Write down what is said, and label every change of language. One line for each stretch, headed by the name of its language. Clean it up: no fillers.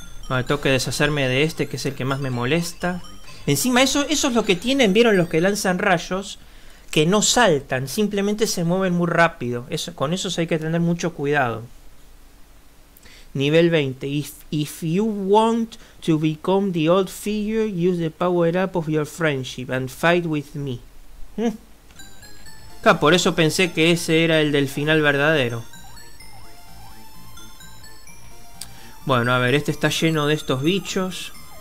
Spanish: No, tengo que deshacerme de este, que es el que más me molesta. Encima, eso es lo que tienen, ¿vieron? Los que lanzan rayos, que no saltan, simplemente se mueven muy rápido. Eso, con eso hay que tener mucho cuidado. Nivel 20.
English: If you want to become the old figure, use the power up of your friendship and fight with me.
Spanish: Por eso pensé que ese era el del final verdadero. Bueno, a ver, este está lleno de estos bichos.